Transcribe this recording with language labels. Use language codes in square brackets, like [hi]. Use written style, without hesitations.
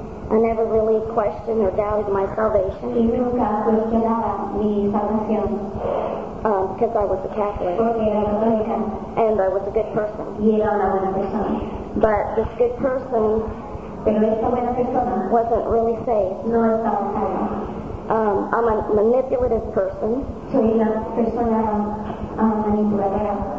[en] I never really questioned or doubted my salvation. [es] Y nunca cuestionaba mi salvación. [en] Because I was a Catholic. [es] Porque era católica. [en] And I was a good person. [es] Y era una buena persona. [en] But this good person. [es] Pero esta buena persona [en] wasn't really safe. [es] No estaba sana. [en] I'm a manipulative person. [es] Soy una persona manipuladora.